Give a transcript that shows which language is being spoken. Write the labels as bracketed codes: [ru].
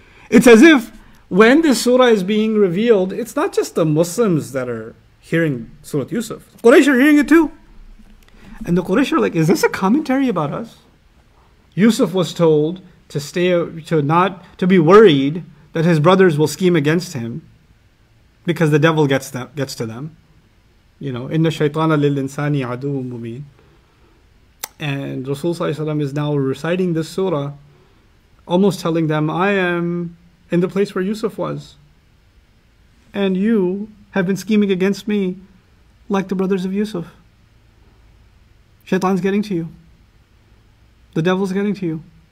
[en] It's as if when this surah is being revealed, it's not just the Muslims that are hearing Surah Yusuf. Quraysh are hearing it too. And the Quraysh are like, is this a commentary about us? Yusuf was told to stay, to be worried that his brothers will scheme against him, because the devil gets to them. You know, [ar] إِنَّ الشَّيْطَانَ لِلْإِنسَانِ عَدُوٌ مُّبِينٌ. [en] And Rasul ﷺ is now reciting this surah, almost telling them, I am in the place where Yusuf was. And you have been scheming against me like the brothers of Yusuf. Shaitan's getting to you. The devil's getting to you.